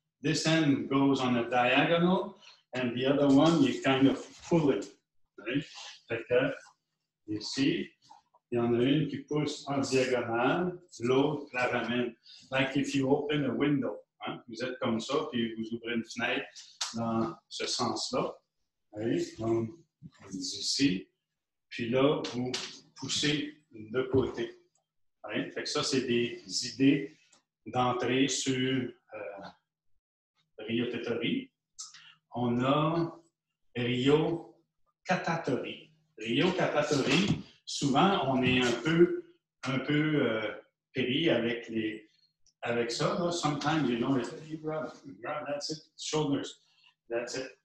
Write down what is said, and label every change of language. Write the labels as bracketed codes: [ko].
[en] This hand goes on a diagonal, and the other one, you kind of pull it, right? [fr] Fait que, ici, il y en a une qui pousse en diagonale, l'autre la ramène. [en] Like if you open a window, [fr] hein? Vous êtes comme ça, puis vous ouvrez une fenêtre dans ce sens-là, right? Donc, ici, puis là, vous poussez de côté, right? Fait que ça, c'est des idées d'entrée sur... Riotetori. On a Riokatatori. Riokatatori, souvent on est un peu pris avec ça. Là. [en] Sometimes you know, you grab, that's it, shoulders, that's it.